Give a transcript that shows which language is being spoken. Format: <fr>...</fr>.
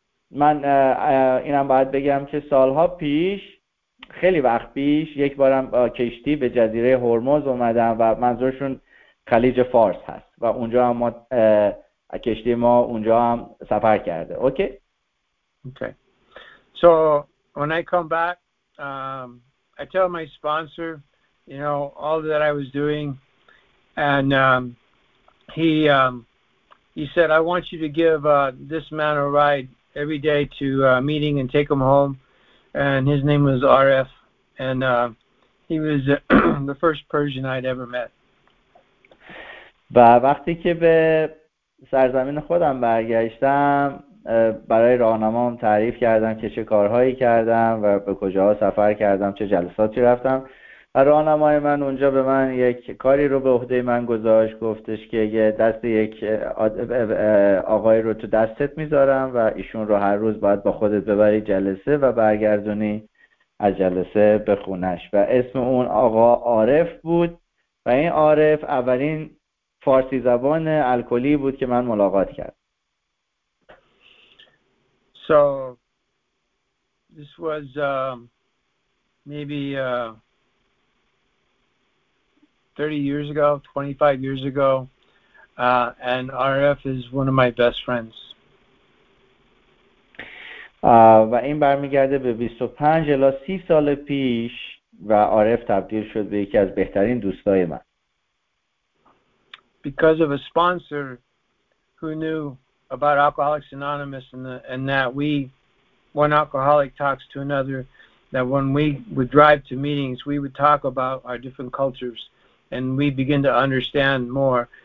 <fa>من اینم باید بگم که سالها پیش، خیلی وقت پیش، یک بارم با کشتی به جزیره هرمز اومدم و منظورشون خلیج فارس هست و اونجا هم ما کشتی ما اونجا هم سفر کرده. اوکی؟ Okay.</fa> <en>So when I come back, I tell my sponsor, you know, all that I was doing, and he said, I want you to give this man a ride every day to a meeting and take him home. And his name was RF, and he was the first Persian I'd ever met.</en> <fa>و وقتی که به سرزمین خودم برگشتم برای راهنمام تعریف کردم که چه کارهایی کردم و به کجاها سفر کردم، چه جلساتی رفتم، و راهنمای من اونجا به من یک کاری رو به عهده من گذاشت، گفتش که یه دست یک آقای رو تو دستت میذارم و ایشون رو هر روز باید با خودت ببری جلسه و برگردونی از جلسه به خونش، و اسم اون آقا عارف بود و این عارف اولین فارسی زبان الکلی بود که من ملاقات کردم.</fa> <en>So this was maybe 30 years ago, 25 years ago, and RF is one of my best friends.</en> <fa>و این برمیگرده به 25 الی 30 سال پیش و RF تبدیل شد به یکی از بهترین دوستای من.</fa> <en>Because of a sponsor who knew about Alcoholics Anonymous and that we, one alcoholic talks to another, that when we would drive to meetings, we would talk about our different cultures and we begin to understand more.</en>